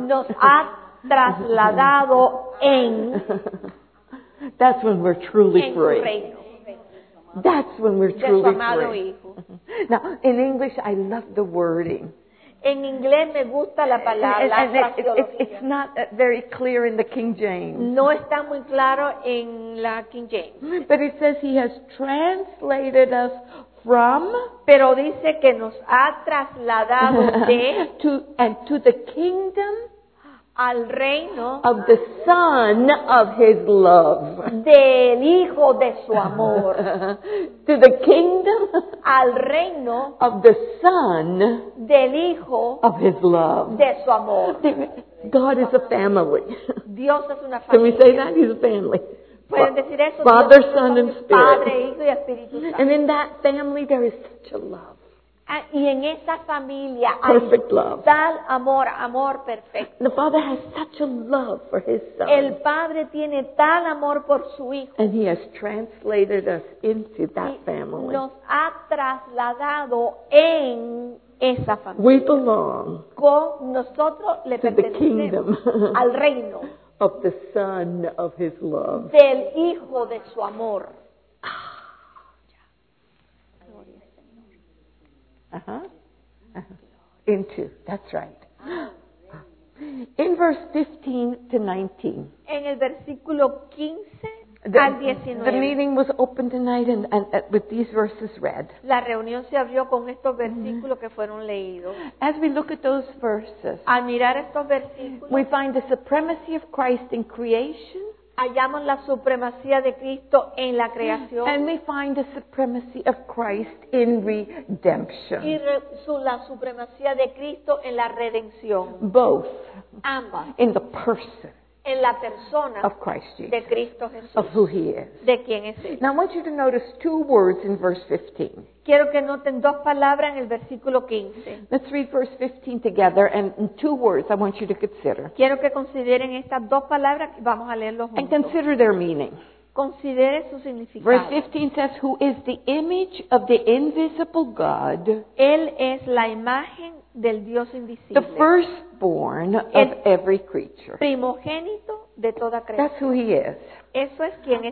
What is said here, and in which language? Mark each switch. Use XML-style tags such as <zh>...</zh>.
<es>Nos ha trasladado en.</es> <en>That's when we're truly free.</en> <es>Reino.</es> <en>That's when we're truly</en> <es>de su amado</es> <en>free.</en> <es>Hijo.</es> <en>Now, in English, I love the wording.</en> <es>En inglés me gusta la palabra</es> <en>it's not very clear in the King James.</en> <es>No está muy claro en la King James.</es> <en>But it says he has translated us from.</en> <es>Pero dice que nos ha trasladado de.</es> <en>To, and to the kingdom.</en> <es>Al reino.</es> <en>Of the son of his love.</en> <es>Del hijo de su amor.</es> <en>To the kingdom.</en> <es>Al reino.</es> <en>Of the son.</en> <es>Del hijo.</es> <en>Of his love.</en> <es>De su amor.</es> <en>God is a family.</en> <es>Dios es una familia.</es> <en>Can we say that? He's a family.</en> <es>Pueden decir eso.</es> <en>Father, Son, and Spirit.</en> <es>Padre, Hijo y Espíritu Santo.</es> <en>And in that family there is such a love.</en> <es>Y en esa familia</es> <en>perfect</en> <es>hay</es> <en>love.</en> <es>Tal amor, amor perfecto.</es> <en>The Father has such a love for his son.</en> <es>El Padre tiene tal amor por su hijo.</es> <en>And he has translated us into that</en> <es>y</es> <en>family.</en> <es>Nos ha trasladado en esa familia.</es> <en>We belong</en> <es>con nosotros le</es> <en>to the kingdom</en> <es>al reino</es> <en>of the son of his love.</en> <es>Del hijo de su amor.</es> <en>Uh-huh. Into, that's right. In verse 15 to 19.</en> <es>En el versículo 15 al 19.</es> <en>The meeting was open tonight and with these verses read.</en> <es>La reunión se abrió con estos versículos que fueron leídos.</es> <en>As we look at those verses.</en> <es>Al mirar estos versículos.</es> <en>We find the supremacy of Christ in creation.</en> <es>hallamos la supremacía de Cristo en la creación.</es> <en>And we find the supremacy of Christ in redemption.</en> <es>Y la supremacía de Cristo en la redención.</es> <en>Both.</en> <es>Ambas.</es> <en>In the person.</en> <es>En la persona</es> <en>of Christ Jesus,</en> <es>de Cristo Jesús,</es> <en>of who he is.</en> <es>De quién es él.</es> <en>Now I want you to notice two words in verse 15.</en> <es>Quiero que noten dos palabras en el versículo 15.</es> <en>Let's read verse 15 together, and two words I want you to consider.</en> <es>Quiero que consideren estas dos palabras y vamos a leerlos juntos.</es> <en>And consider their meaning.</en> <es>Considere su significado.</es> <en>Verse 15 says, "Who is the image of the invisible God?"</en> <es>Él es la imagen del Dios invisible.</es> <en>The firstborn of every creature.</en> <es>Primogénito de toda creación.</es> <en>That's who he is.</en> <es>Eso es quien es.</es>